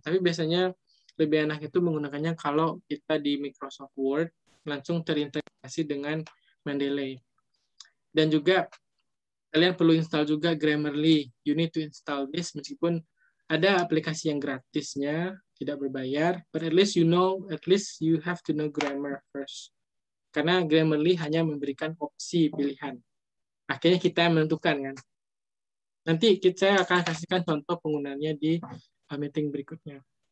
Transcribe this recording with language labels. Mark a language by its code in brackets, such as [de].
[id] Tapi biasanya lebih enak itu menggunakannya kalau kita di Microsoft Word langsung terintegrasi dengan Mendeley. Dan juga kalian perlu install juga Grammarly. [en] You need to install this [id] meskipun ada aplikasi yang gratisnya, tidak berbayar. [en] But at least you have to know grammar first. [id] Karena Grammarly hanya memberikan opsi pilihan. Akhirnya kita yang menentukan kan. Nanti kita akan kasihkan contoh penggunaannya di meeting berikutnya.